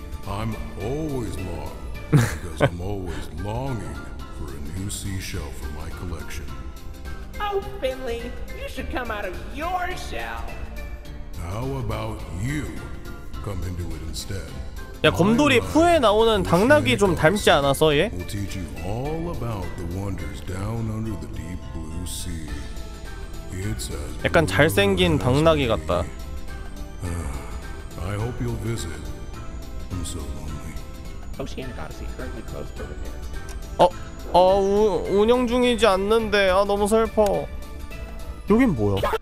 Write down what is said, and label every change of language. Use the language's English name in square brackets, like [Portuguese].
[English] I'm always long because I'm always longing for a new seashell for my collection. Oh, Finley, you should come out of your shell. How about you? Come into it instead. [Korean] 야 곰돌이 후에 나오는 당나귀 좀 닮지 않아서 얘? [English] We'll teach you all about the wonders down under the deep blue sea. It's as [Korean] 약간 잘생긴 당나귀 같다. [English] I hope you'll visit. I'm so lonely. Oceanic Odyssey currently closed for repairs. [Korean] 운영 중이지 않는데 아 너무 슬퍼. 여긴 뭐야?